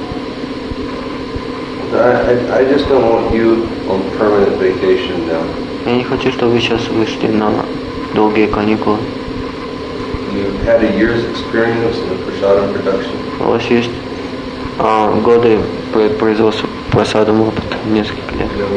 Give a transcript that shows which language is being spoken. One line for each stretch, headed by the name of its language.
English: I just don't want you on permanent vacation now.
Russian: Я не хочу, чтобы вы сейчас вышли на долгие каникулы.
English: You've had a year's experience in the prasadam production.
Russian: У вас есть годы производства прасадам опыта, несколько лет.